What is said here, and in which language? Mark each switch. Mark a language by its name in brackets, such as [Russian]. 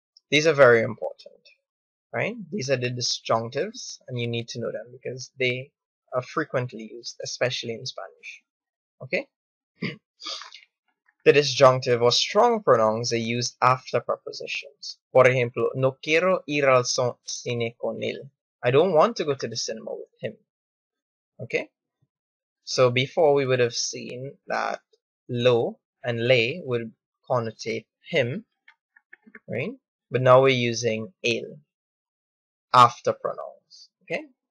[English] These are very important. Right? These are the disjunctives, and you need to know them because they are frequently used, especially in Spanish. Okay? The disjunctive or strong pronouns are used after prepositions. [Spanish] Por ejemplo, no quiero ir al cine con él. [English] I don't want to go to the cinema with him. Okay? So before we would have seen that lo and le would connotate him, right? But now we're using él. After pronouns, okay?